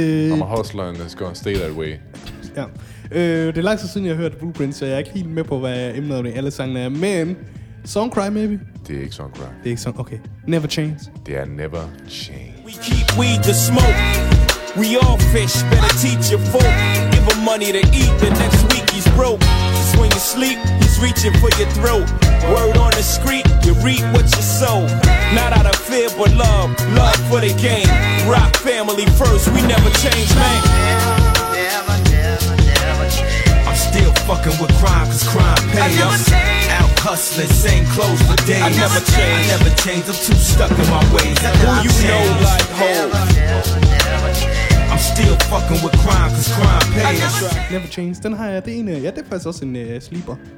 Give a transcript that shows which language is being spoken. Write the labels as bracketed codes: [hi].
[en] I'm a hustler, and it's gonna stay that way. [da] Ja. Det er langt siden, jeg har hørt Blueprint, så jeg er ikke helt med på, hvad emnet i alle sangene er. [en] Men... Song Cry, maybe? [da] Det er ikke Song Cry. Det er ikke Song... Okay. Never Change. Det er Never Change. [en] We keep weed to smoke. We all fish, better teach your folk. Give him money to eat, the next week he's broke. Just when you sleep, he's reaching for your throat. Word on the street, you reap what you sow. Not out of fear, but love, love for the game. Rock family first, we never change, man. Never change. I'm still fucking with crime, cause crime pays us. Hustlin', same clothes for days. I never change, I'm too stuck in my ways. Who you know like hoes? I'm still fucking with crime, cause crime pays. [da] Never change, den har jeg, det ene, ja, det er faktisk også en sleeper.